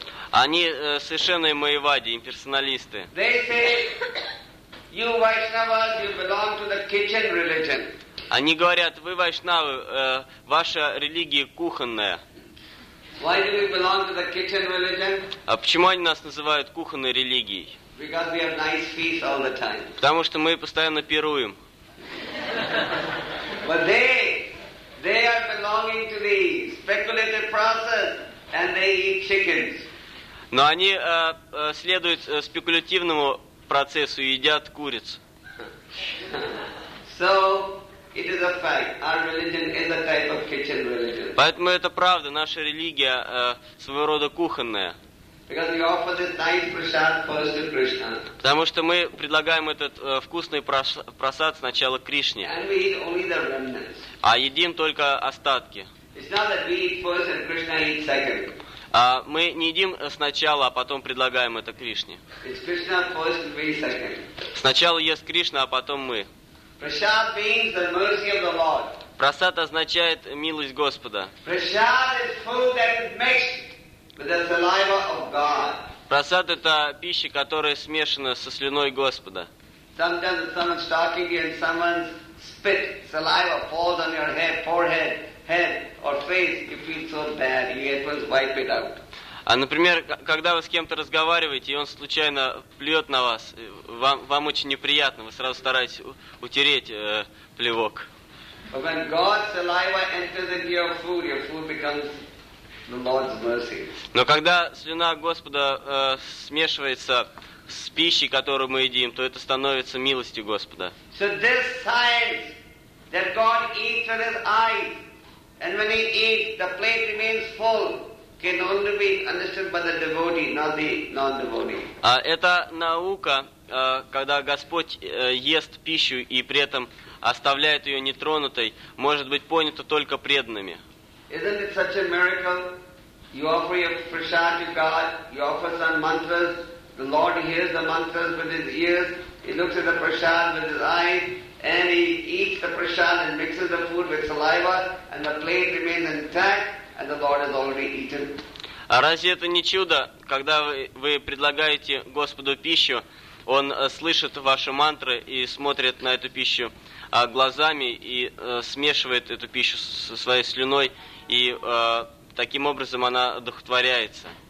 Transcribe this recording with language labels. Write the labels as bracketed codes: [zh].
[ru] Они совершенные майявади, имперсоналисты. [en] They say, you Vaishnavas, you belong to the kitchen religion. [ru] Они говорят, вы вайшнавы, ваша религия кухонная. [en] Why do we belong to the kitchen religion? [ru] А почему они нас называют кухонной религией? [en] Because we have nice feasts all the time. [ru] Потому что мы постоянно пируем. [en] But they are belonging to the speculative process and they eat chickens. [ru] Но они следуют спекулятивному процессу и едят куриц. [en] So it is a fact. Our religion is a type of kitchen religion. [ru] Поэтому это правда, наша религия своего рода кухонная. [en] Because we offer this nice prasad first to Krishna. [ru] Потому что мы предлагаем этот вкусный прасад сначала Кришне. [en] And we eat only the remnants. [ru] А едим только остатки. [en] It's not that we eat first and Krishna eats second. [ru] Мы не едим сначала, а потом предлагаем это Кришне. [en] It's Krishna first and we eat second. [ru] Сначала ест Кришна, а потом мы. [en] Prasad means the mercy of the Lord. [ru] Прасад означает милость Господа. [en] Prasad is food that is mixed with the saliva of God. [ru] Прасад – это пища, которая смешана со слюной Господа. [en] Sometimes when someone's talking to you and someone's spit, saliva falls on your head, forehead, head or face, you feel so bad, you at once wipe it out. [ru] А, например, когда вы с кем-то разговариваете, и он случайно плюет на вас, вам очень неприятно, вы сразу стараетесь утереть плевок. [en] But when God's saliva enters into your food becomes the Lord's mercy. [ru] Но когда слюна Господа смешивается с пищей, которую мы едим, то это становится милостью Господа. [en] So this science that God eats with his eyes, and when he eats, the plate remains full, can only be understood by the devotee, not the non-devotee. [ru] Это наука, когда Господь ест пищу и при этом оставляет ее нетронутой, может быть понято только преданными. [en] Isn't it such a miracle? You offer your prasad to God, you offer some mantras, the Lord hears the mantras with his ears, he looks at the prasad with his eyes, and he eats the prasad and mixes the food with saliva, and the plate remains intact, and the Lord has already eaten. [ru] А разве это не чудо, когда вы предлагаете Господу пищу, он слышит ваши мантры и смотрит на эту пищу глазами и смешивает эту пищу со своей слюной, и таким образом она одухотворяется.